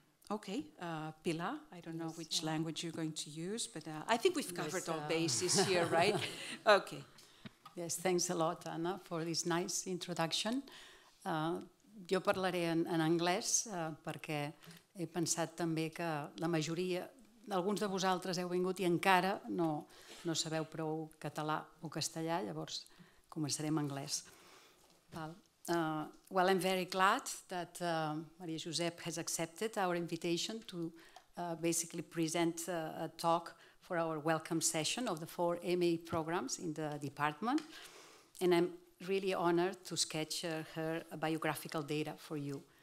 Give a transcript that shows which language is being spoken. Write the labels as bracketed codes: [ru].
[en] Okay, Pilar, I don't know which language you're going to use, but I think we've covered all bases here, right? Okay. Yes, thanks a lot, Anna, for this nice introduction. [ca] Jo parlaré en anglès perquè he pensat també que la majoria, alguns de vosaltres heu vingut i encara no sabeu prou català o castellà, llavors començarem en anglès. [en] Well, I'm very glad that Maria Josep has accepted our invitation to basically present a talk for our welcome session of the four MA programs in the department. And I'm really honored to sketch her biographical data for you.